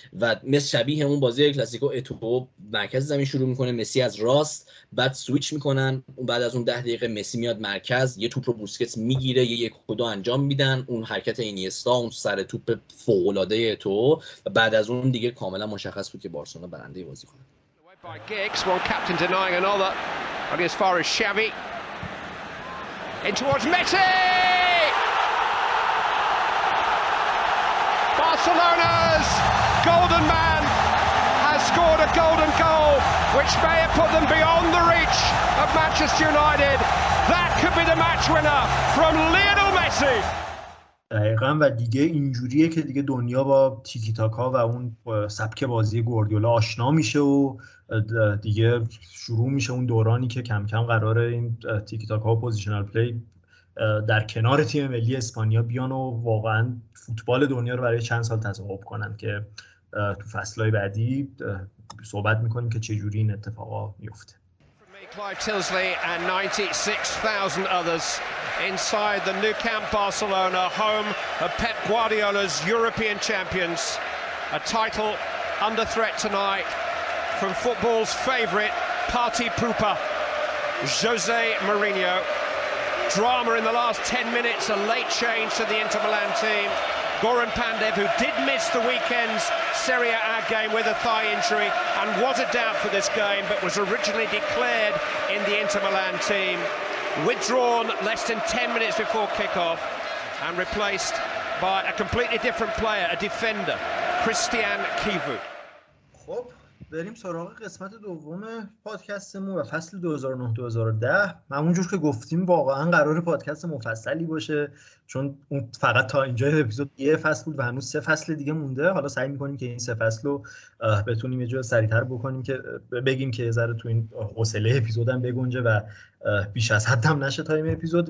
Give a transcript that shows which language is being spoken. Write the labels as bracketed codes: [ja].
[fa] و مثل شبیه اون بازی کلاسیکو اتوبو مرکز زمین شروع میکنه، مسی از راست، بعد سویچ میکنن، بعد از اون 10 دقیقه مسی میاد مرکز، یه توپ رو بوسکتس میگیره، یه یک و دو انجام میدن، اون حرکت اینیستا، اون سر توپ فوق العاده اتو، و بعد از اون دیگه کاملا مشخص بود که بارسلونا برنده بازی خواهد [en] by Giggs, one captain denying another, only as far as Xavi, in towards Messi! Barcelona's golden man has scored a golden goal which may have put them beyond the reach of Manchester United. That could be the match winner from Lionel Messi! [fa] دقیقا. و دیگه اینجوریه که دیگه دنیا با تیکی تاکا و اون سبک بازی گواردیولا آشنا میشه و دیگه شروع میشه اون دورانی که کم کم قراره این تیکی تاکا و پوزیشنال پلی در کنار تیم ملی اسپانیا بیان و واقعا فوتبال دنیا رو برای چند سال تصاحب کنن، که تو فصلهای بعدی صحبت میکنیم که چجوری این اتفاقا میفته. [en] Clive Tilsley and 96,000 others inside the Nou Camp Barcelona, home of Pep Guardiola's European champions, a title under threat tonight from football's favourite party pooper, Jose Mourinho. Drama in the last 10 minutes, a late change to the Inter Milan team. Goran Pandev, who did miss the weekend's Serie A game with a thigh injury and was a doubt for this game but was originally declared in the Inter Milan team, withdrawn less than 10 minutes before kick-off and replaced by a completely different player, a defender, Christian Kivu. [fa] خب بریم سراغ قسمت دوم پادکستمون و فصل 2009-2010. همونجور که گفتیم واقعا قرار پادکست مفصلی باشه، چون اون فقط تا اینجا اپیزود یه فصل بود و هنوز سه فصل دیگه مونده. حالا سعی میکنیم که این سه فصل رو بتونیم یه جور سریعتر بکنیم که بگیم که یه ذره تو این حوصله اپیزودم بگنجه و بیش از حد هم نشه تایم اپیزود.